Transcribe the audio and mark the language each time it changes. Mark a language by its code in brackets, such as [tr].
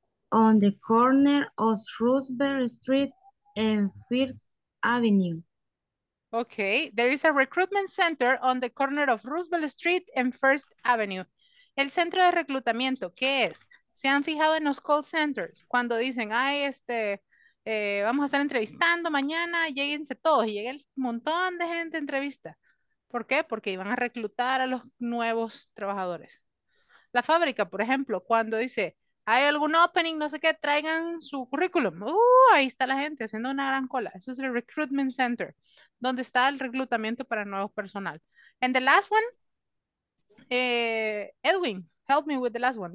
[en] On the corner of Roosevelt Street and First Avenue. Okay. There is a recruitment center on the corner of Roosevelt Street and First Avenue. [es] El centro de reclutamiento, ¿qué es? ¿Se han fijado en los call centers? Cuando dicen, ay, vamos a estar entrevistando mañana, lléguense todos, y llega un montón de gente a entrevista. ¿Por qué? Porque iban a reclutar a los nuevos trabajadores. La fábrica, por ejemplo, cuando dice, hay algún opening, no sé qué, traigan su currículum. Ahí está la gente haciendo una gran cola. Eso es el recruitment center, donde está el reclutamiento para nuevos personal. [en] And the last one, Edwin, help me with the last one.